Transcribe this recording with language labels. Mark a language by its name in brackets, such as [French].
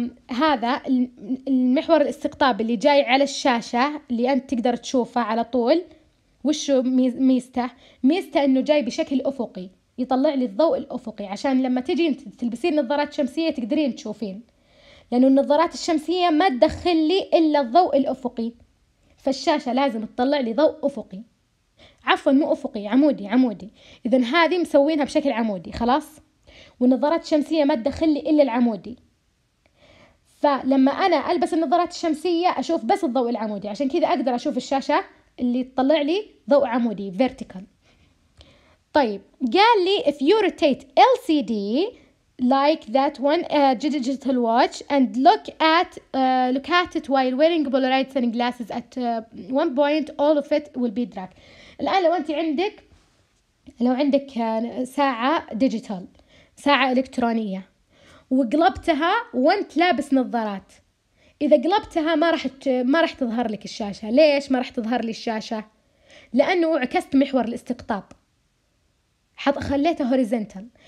[Arabic] هذا المحور الاستقطاب اللي جاي على الشاشه اللي انت تقدر تشوفه على طول وشو ميزته انه جاي بشكل افقي يطلع لي الضوء الافقي عشان لما تجي انت تلبسين نظارات شمسيه تقدرين تشوفين، لانه النظارات الشمسيه ما تدخل لي الا الضوء الافقي، فالشاشه لازم تطلع لي ضوء افقي، عفوا مو افقي عمودي. اذا هذه مسوينها بشكل عمودي خلاص، والنظارات الشمسية ما تدخل لي إلا العمودي، فلما أنا ألبس النظارات الشمسية أشوف بس الضوء العمودي، عشان كذا أقدر أشوف الشاشة اللي تطلع لي ضوء عمودي vertical. طيب قال لي [English] if you rotate LCD like that one digital watch and look at it while wearing polarized sunglasses at one point all of it will be dark، [Arabic] الآن لو أنت عندك لو عندك ساعة ديجيتال، ساعة إلكترونية، وقلبتها وانت لابس نظارات، إذا قلبتها ما رح تظهر لك الشاشة. ليش ما رح تظهر لي الشاشة؟ لأنه عكست محور الاستقطاب، خليتها هوريزنتال.